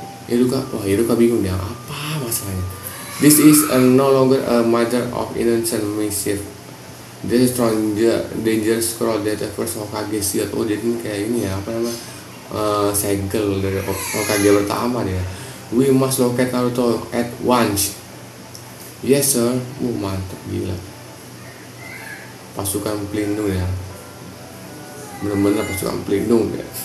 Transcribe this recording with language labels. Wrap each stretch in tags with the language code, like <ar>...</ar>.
<id>Iruka bingung dia, apa masalahnya?</id> <en>This is no longer a matter of innocent mischief. This is dangerous scroll that the first Hokage sealed.</en> <id>Oh, jadi ini kayak ini ya, apa namanya? Segel dari Hokage pertama dia.</id> <en>We must locate Naruto at once. Yes sir,</en> <id>mantap gila. Pasukan pelindung ya. Benar-benar pasukan pelindung ya.</id>